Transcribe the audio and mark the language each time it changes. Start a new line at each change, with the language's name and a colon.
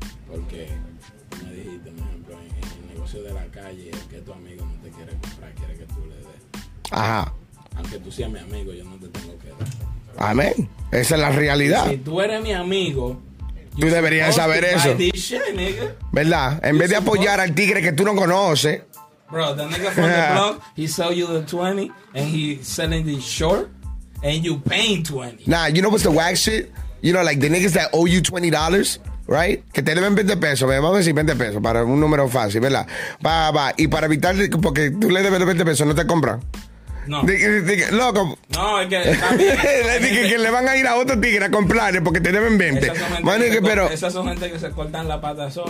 Spanish: Porque tú me dijiste, por ejemplo, en el negocio de la calle, el que tu amigo no te quiere comprar, quiere que tú le des. Ajá. Aunque tú seas mi amigo, yo no te tengo que dar. Amén. Esa es la realidad. Si tú eres mi amigo... Tú deberías saber eso. ¿Verdad? En vez de apoyar al tigre que tú no conoces...
English: Bro, the nigga from the block, he sell you the 20 and he selling the short and you paying 20. Nah, you know what's the wax shit? You know, like the niggas that owe you $20, right?
Spanish: Que te deben 20 pesos, ¿verdad? Vamos a decir 20 pesos para un número fácil, ¿verdad? Va, va. Y para evitar, porque tú le debes 20 pesos, no te compran. Loco. No, es que también. Dije que le van a ir a otro tigre a comprarle porque te deben 20. Mano, que, pero esas son gente que se cortan la pata sola.